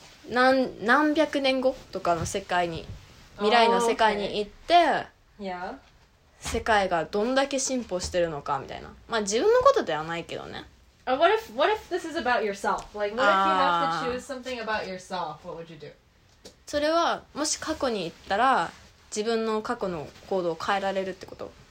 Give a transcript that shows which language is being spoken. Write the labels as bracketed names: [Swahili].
[Japanese] 何百年後とかの世界に、未来の世界に行って、世界がどんだけ進歩してるのかみたいな。まあ自分のことではないけどね。 [English] What if this is about yourself? Like, what if you have to choose something about yourself? What would you do? [Japanese] それはもし過去に行ったら、自分の過去の行動を変えられるってこと。